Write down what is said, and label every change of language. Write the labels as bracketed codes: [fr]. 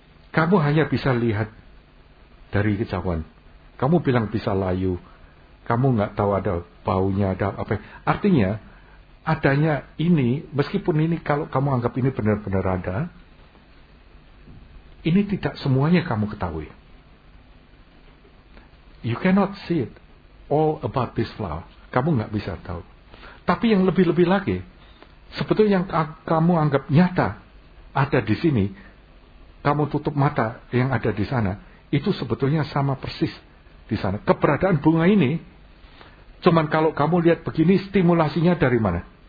[id] Kamu hanya bisa lihat dari kejauhan. Kamu bilang bisa layu. Kamu enggak tahu ada baunya, ada apa. Artinya, adanya ini, meskipun ini kalau kamu anggap ini benar-benar ada, ini tidak semuanya kamu ketahui. [en] You cannot see it all about this flower. [id] Kamu enggak bisa tahu. Tapi yang lebih-lebih lagi, sebetulnya yang kamu anggap nyata ada di sini, kamu tutup mata yang ada di sana, itu sebetulnya sama persis di sana. Keberadaan bunga ini, cuman kalau kamu lihat begini, stimulasinya dari mana?